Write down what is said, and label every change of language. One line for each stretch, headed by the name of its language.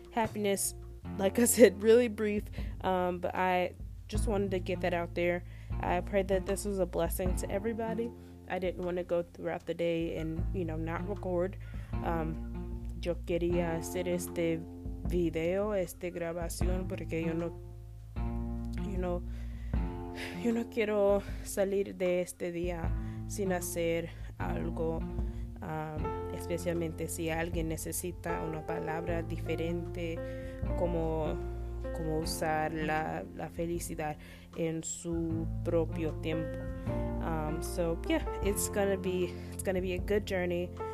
English: Happiness, like I said, really brief, but I just wanted to get that out there. I pray that this was a blessing to everybody. I didn't want to go throughout the day and, you know, not record.
Spanish: Yo quería hacer este video, esta grabación, porque yo no quiero salir de este día sin hacer algo, especialmente si alguien necesita una palabra diferente, como usar la felicidad en su propio tiempo.
English: It's gonna be a good journey.